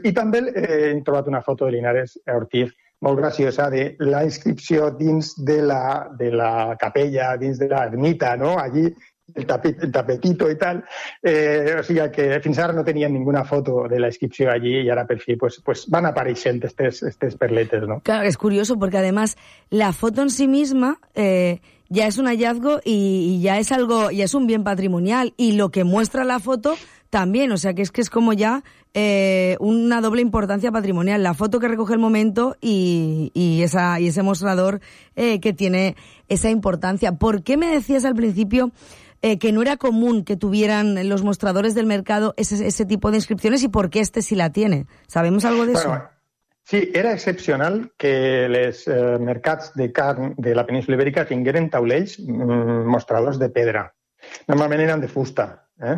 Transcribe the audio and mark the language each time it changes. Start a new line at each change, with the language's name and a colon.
Catalan: I també hem trobat una foto de Linares Ortiz molt graciosa de la inscripció dins de la capella, dins de l'ermita, no? Allí el tapetito i tal. O sigui que fins ara no tenien ninguna foto de la inscripció allí i ara per fi pues van apareixent aquestes perletes, no?
Spanish: Claro, és curioso perquè, además, la foto en sí misma... Ya es un hallazgo y ya es algo, ya es un bien patrimonial. Y lo que muestra la foto también, o sea que es como ya una doble importancia patrimonial. La foto que recoge el momento y ese mostrador que tiene esa importancia. ¿Por qué me decías al principio que no era común que tuvieran los mostradores del mercado ese tipo de inscripciones y por qué este sí la tiene? ¿Sabemos algo de eso?
Catalan: Sí, era excepcional que els mercats de carn de la península ibèrica tingueren taulells mostradors de pedra. Normalment eren de fusta.